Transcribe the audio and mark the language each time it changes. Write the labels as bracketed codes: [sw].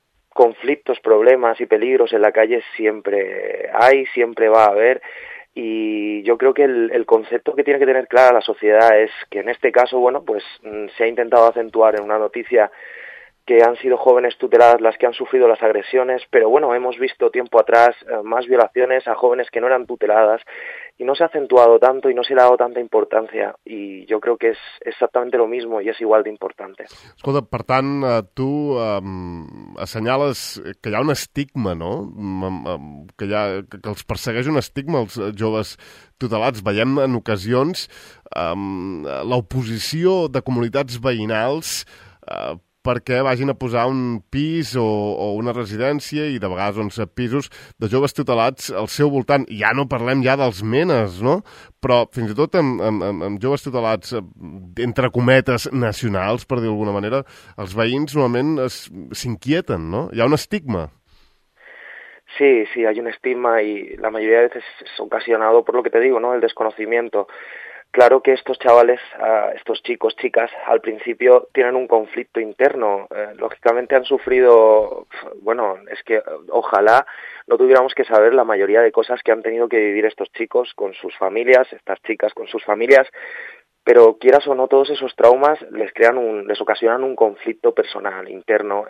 [es] Conflictos, problemas y peligros en la calle siempre hay, siempre va a haber, y yo creo que el concepto que tiene que tener clara la sociedad es que en este caso, bueno, pues se ha intentado acentuar en una noticia que han sido jóvenes tuteladas las que han sufrido las agresiones, pero bueno, hemos visto tiempo atrás más violaciones a jóvenes que no eran tuteladas y no se ha acentuado tanto y no se le ha dado tanta importància, [ca] i jo crec que és exactament lo mismo i és igual d'important. Escolta, per tant, tu assenyales que hi ha un estigma, no? Que, que els persegueix un estigma, els joves tutelats. Veiem en ocasions l'oposició de comunitats veïnals perquè vagin a posar un pis o una residència, i de vegades 11 pisos, de joves tutelats al seu voltant. Ja no parlem ja dels menes, no? Però fins i tot amb joves tutelats, entre cometes, nacionals, per dir d'alguna manera, els veïns normalment s'inquieten, no? Hi ha un estigma. [es] Sí, sí, hay un estigma, y la mayoría de veces es ocasionado por lo que te digo, ¿no? El desconocimiento. Claro que estos chavales, estos chicos, chicas, al principio tienen un conflicto interno. Lógicamente han sufrido, bueno, es que ojalá no tuviéramos que saber la mayoría de cosas que han tenido que vivir estos chicos con sus familias, estas chicas con sus familias, pero quieras o no, todos esos traumas les ocasionan un conflicto personal interno.